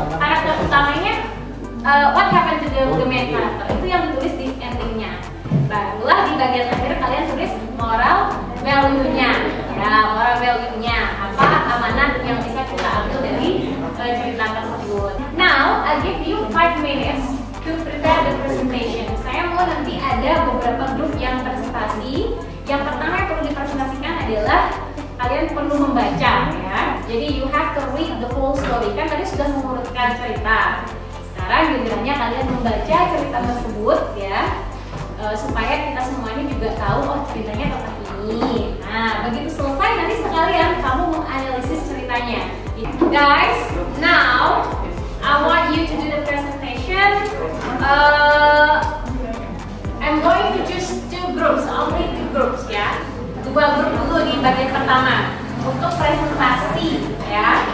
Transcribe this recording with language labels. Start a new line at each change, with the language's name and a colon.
Indonesian: Karakter utamanya,
English: what happened to the main character?
Indonesian: Itu yang ditulis di endingnya. Barulah di bagian akhir kalian tulis moral value-nya. Ya, moral value-nya. Apa amanah yang bisa kita ambil dari cerita tersebut.
English: Now, I give you 5 minutes to prepare the presentation.
Indonesian: Saya mau nanti ada beberapa grup yang presentasi. Yang pertama yang perlu dipresentasikan adalah kalian perlu membaca, ya. Jadi
English: you have to read the whole story.
Indonesian: Kan tadi sudah mengurutkan cerita. Sekarang gilirannya kalian membaca cerita tersebut, ya. Supaya kita semuanya juga tahu, oh ceritanya tentang ini. Nah, begitu selesai nanti sekalian kamu menganalisis ceritanya.
English: Guys, now I want you to do the presentation. I'm going to choose two groups, only two groups, ya.
Indonesian: Dua grup dulu di bagian pertama untuk presentasi, ya.